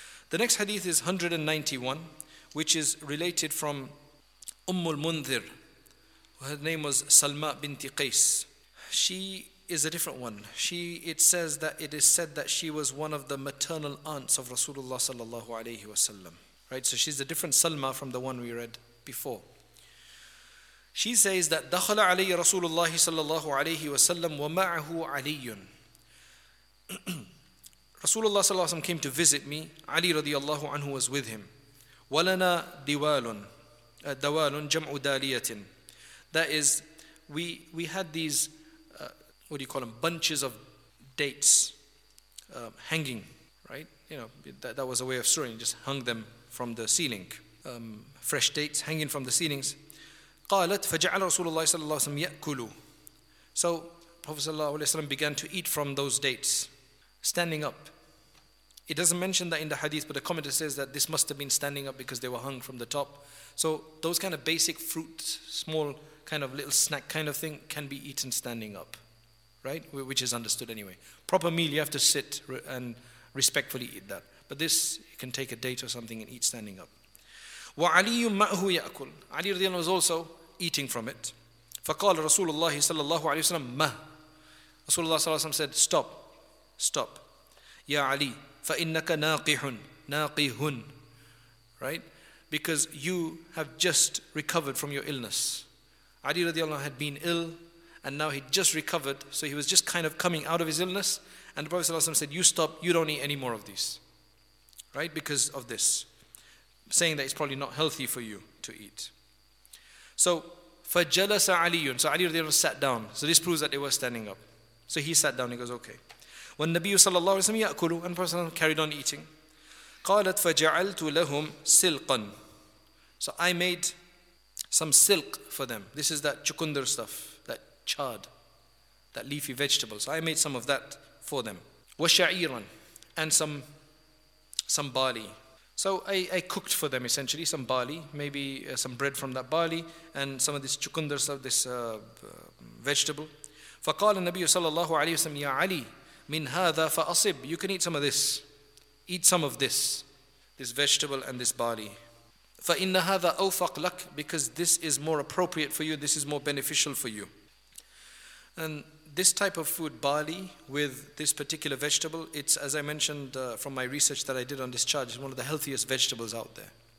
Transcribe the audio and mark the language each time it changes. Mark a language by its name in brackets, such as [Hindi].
[English] The next hadith is 191, which is related from Ummul Mundhir. Her name was Salma binti Qais. She is a different one. It is said that she was one of the maternal aunts of Rasulullah sallallahu alayhi wasallam. Right, so she's a different Salma from the one we read before. She says that [Arabic] دخل علي رسول الله صلى الله عليه وسلم ومعه علي. رسول الله صلى الله عليه وسلم [English] came to visit me. [Arabic] علي رضي الله عنه [English] was with him. [Arabic] ولنا دوال دوال جمع دالية. [English] That is, we had these what do you call them, bunches of dates hanging, right? You know, that was a way of storing, just hung them from the ceiling, fresh dates hanging from the ceilings. [Arabic] قالت فجعل رسول الله صلى الله عليه وسلم يأكل. [English] So Prophet صلى الله عليه وسلم began to eat from those dates, standing up. It doesn't mention that in the hadith, but the commentator says that this must have been standing up because they were hung from the top. So those kind of basic fruit, small kind of little snack kind of thing, can be eaten standing up, right? Which is understood anyway. Proper meal, you have to sit and respectfully eat that. But this, you can take a date or something and eat standing up. [Arabic] وَعَلِيٌّ مَأْهُ يَأْكُلُ [English] Ali رضي الله عنه was also eating from it. [Arabic] فَقَالَ رَسُولُ اللَّهِ صَلَى اللَّهُ عَلَيْهِ وَسَلَمْ مَهْ Rasulullah صلى الله عليه وسلم [English] said, stop, stop. [Arabic] يَا عَلِي فَإِنَّكَ نَاقِحٌ نَاقِحٌ Right? [English] Because you have just recovered from your illness. Ali رضي الله عنه had been ill and now he just recovered. So he was just kind of coming out of his illness. And the Prophet صلى الله عليه وسلم said, you stop, you don't eat any more of these. Right? Because of this. Saying that it's probably not healthy for you to eat. So, [Arabic] فَجَلَسَ عَلِيٌّ [English] So Ali رضي الله عنه sat down. So this proves that they were standing up. So he sat down, he goes, okay. [Arabic] وَالنَّبِيُّ صلى الله عليه وسلم يَأْكُلُ [English] And the Prophet carried on eating. [Arabic] قَالَتْ فَجَعَلْتُ لَهُمْ سِلْقًا [English] So I made some silk for them. This is that chukundar stuff, that chard, that leafy vegetable. So I made some of that for them. [Arabic] وَشَعِيرًا [English] And some barley. So I cooked for them essentially some barley, maybe some bread from that barley and some of this chukundar, of this vegetable. [Arabic] فَقَالَ النَّبِيُّ صَلَّى اللَّهُ عَلَيْهِ وَسَلَّمْ يَا عَلِي مِنْ هَذَا فَأَصِبْ [English] You can eat some of this. Eat some of this. This vegetable and this barley. [Arabic] فَإِنَّ هَذَا أَوْفَقْ لَكْ [English] Because this is more appropriate for you, this is more beneficial for you. And this type of food, barley, with this particular vegetable, it's, as I mentioned from my research that I did on this charge, it's one of the healthiest vegetables out there.